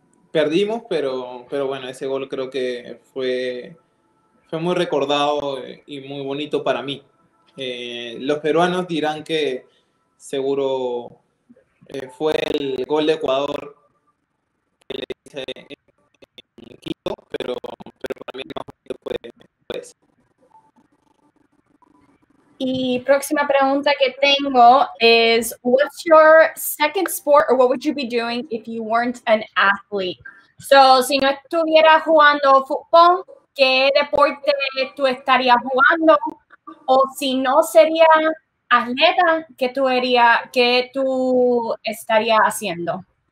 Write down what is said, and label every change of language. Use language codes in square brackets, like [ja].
[es] Perdimos, pero bueno, ese gol creo que fue muy recordado y muy bonito para mí. Los peruanos dirán que seguro fue el gol de Ecuador que le hice en Quito, pero para mí más bonito fue ese. Y próxima pregunta que tengo es, [en] what's your second sport or what would you be doing if you weren't an athlete? [es] So, si no estuviera jugando fútbol, ¿qué deporte tú estarías jugando? O si no sería atleta, ¿qué tú estarías haciendo?